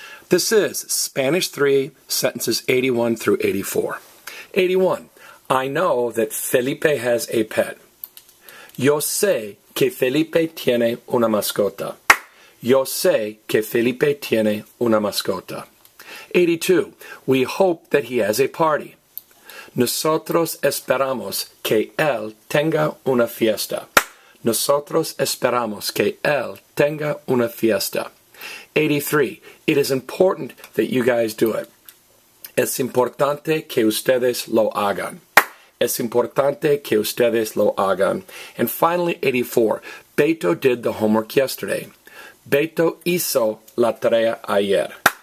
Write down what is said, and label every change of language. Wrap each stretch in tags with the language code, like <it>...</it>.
<en>This is Spanish 3, sentences 81 through 84. 81. I know that Felipe has a pet.</en> <es>Yo sé que Felipe tiene una mascota. Yo sé que Felipe tiene una mascota.</es> <en>82. We hope that he has a party.</en> <es>Nosotros esperamos que él tenga una fiesta. Nosotros esperamos que él tenga una fiesta.</es> <en>83. It is important that you guys do it.</en> <es>Es importante que ustedes lo hagan. Es importante que ustedes lo hagan.</es> <en>And finally, 84. Beto did the homework yesterday.</en> <es>Beto hizo la tarea ayer.</es>